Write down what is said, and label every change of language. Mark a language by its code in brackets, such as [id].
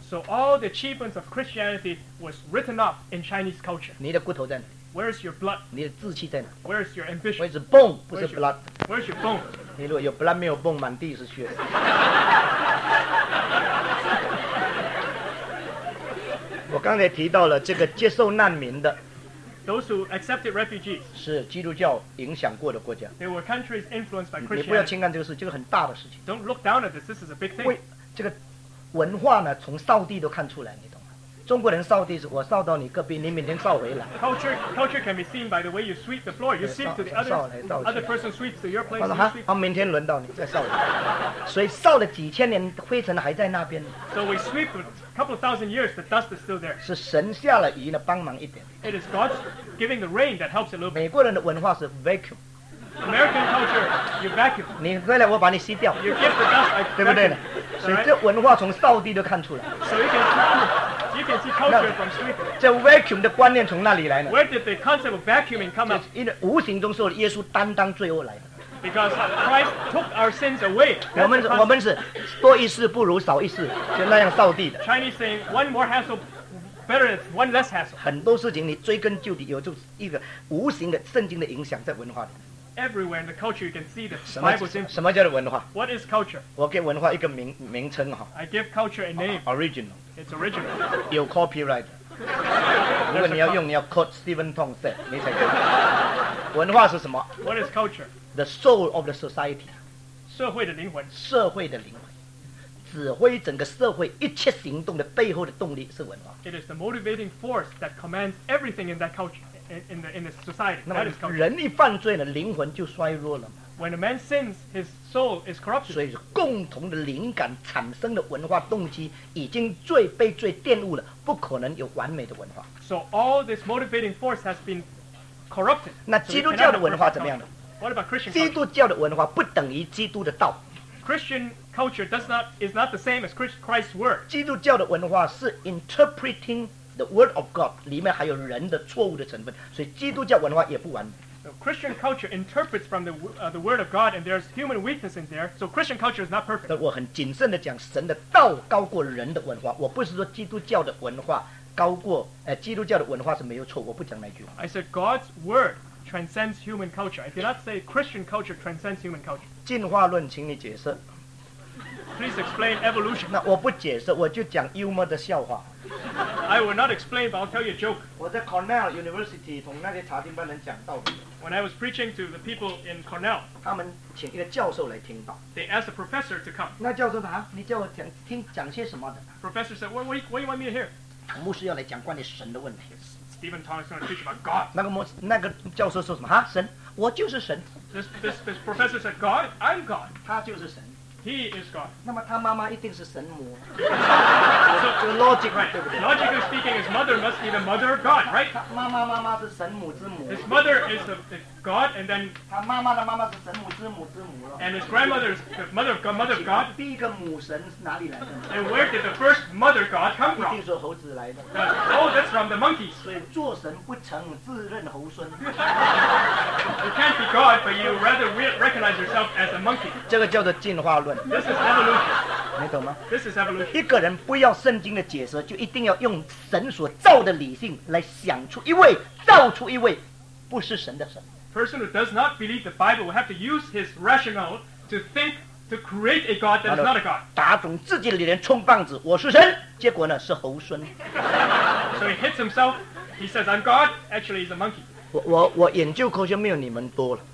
[en] So all the achievements of Christianity was written off in Chinese culture. [zh] 你的骨头在哪？ [en] Where is your blood? [zh] 你的志气在哪？ [en] Where is your ambition? Where is bone? [zh] 不是 [en] blood. Where is your bone? [zh] 你如果有 [en] blood [zh] 没有 [en] bone， [zh] 满地是血。我刚才提到了这个接受难民的。 [en] Those who accepted refugees. [zh] 是基督教影响过的国家。 [en] They were countries influenced by Christianity. [zh] 你不要轻看这个事，这个很大的事情。 [en] Don't look down at this. This is a big thing. [zh] 这个文化呢，从扫地都看出来。中国人扫地是我扫到你隔壁，你每天扫回来。 [en] Culture can be seen by the way you sweep the floor. You sweep to the other person sweeps to your place. [zh] 我说哈，明天轮到你再扫。所以扫了几千年，灰尘还在那边。 [en] So we sweep a couple thousand years, the dust is still there. [zh] 是神下了雨呢，帮忙一点。 [en] It is God giving the rain that helps a little bit. [zh] 美国人的文化是 vacuum。 [en] American culture, you vacuum. [zh] 你回来，我把你吸掉。 [en] You get the dust, I vacuum. [zh] 对不对呢？所以这文化从扫地都看出来。 [en] So you can see. You can see culture from sweeping. [zh] 这 [en] vacuum [zh] 的观念从哪里来呢？ [en] Where did the concept of vacuuming come up? [zh] 因为无形中受耶稣担当罪恶来的。 [en] Because Christ took our sins away. [zh] 我们是多一事不如少一事，就那样扫地的。 [en] Chinese saying one more hassle, better than one less hassle. [zh] 很多事情你追根究底，有就一个无形的圣经的影响在文化里。 [en] Everywhere in the culture, you can see the Bible symbol. [zh] 什么叫做文化？ [en] What is culture? [zh] 我给文化一个名称哈。 [en] I give culture a name. Original. It's original. [zh] 有 [en] copyright. [zh] 如果你要用，你要 [en] quote Stephen Tong said， [zh] 你才可以。文化是什么？ [en] What is culture? The soul of the society. [zh] 社会的灵魂。社会的灵魂，指挥整个社会一切行动的背后的动力是文化。 [en] It is the motivating force that commands everything in that culture, in the society. That is culture. [zh] 人一犯罪呢，灵魂就衰弱了嘛。 [en] When a man sins, his soul is corrupted. [zh] 所以共同的灵感产生的文化动机已经罪被罪玷污了，不可能有完美的文化。 [en] So all this motivating force has been corrupted. [zh] 那基督教的文化怎么样呢？ [en] What about Christian culture? [zh] 基督教的文化不等于基督的道。 [en] Christian culture is not the same as Christ's word. [zh] 基督教的文化是 [en] interpreting the word of God， [zh] 里面还有人的错误的成分，所以基督教文化也不完美。 [en] So Christian culture interprets from the word of God, and there's human weakness in there. So Christian culture is not perfect. [zh] 但我很谨慎地讲，神的道高过人的文化。我不是说基督教的文化高过，基督教的文化是没有错。我不讲那句话。 [en] I said God's word transcends human culture. I did not say Christian culture transcends human culture. [zh] 进化论，请你解释。 [en] Please explain evolution. [zh] 那我不解释，我就讲幽默的笑话。 [en] I will not explain, but I'll tell you a joke. [zh] 我在 Cornell University 同那些查经班人讲道理。 [en] When I was preaching to the people in Cornell, [zh] 他们请一个教授来听道。 [en] They asked a professor to come. [zh] 那教授说，你叫我讲些什么的？ [en] Professor said, what do you want me to hear? [zh] 牧师要来讲关于神的问题。 [en] Stephen Tong is going to teach about God. [zh] 那个教授说什么？神，我就是神。 [en] This professor said, God, I'm God. [zh] 他就是神。 [en] He is God. [zh] 那么他妈妈一定是神母。这个 [en] logic, right? [zh] 对不对？ [en] Logically speaking, his mother must be the mother of God, right? [zh] 他妈妈妈妈是神母之母。 [en] His mother is the God, and then [zh] 他妈妈的妈妈是神母之母之母了。 [en] And his grandmother is the mother of God, mother of God. [zh] 第一个母神是哪里来的？ [en] And where did the first mother God come from? [zh] 一定是猴子来的。 [en] Oh, that's from the monkeys. [zh] 所以做神不成，自认猴孙。 [en] You can't be God, but you rather recognize yourself as a monkey. [zh] 这个叫做进化论。 [en] This is evolution. [zh] 你懂吗？ [en] This is evolution. [zh] 一个人不要圣经的解释，就一定要用神所造的理性来想出一位，造出一位不是神的神。 [en] Person who does not believe the Bible will have to use his rationale to think to create a God that is not a God. [zh] 打肿自己的脸充棒子，我是神，结果呢是猴孙。 [en] So he hits himself. He says, "I'm God." Actually, he's a monkey. [zh] 我研究科学没有你们多了。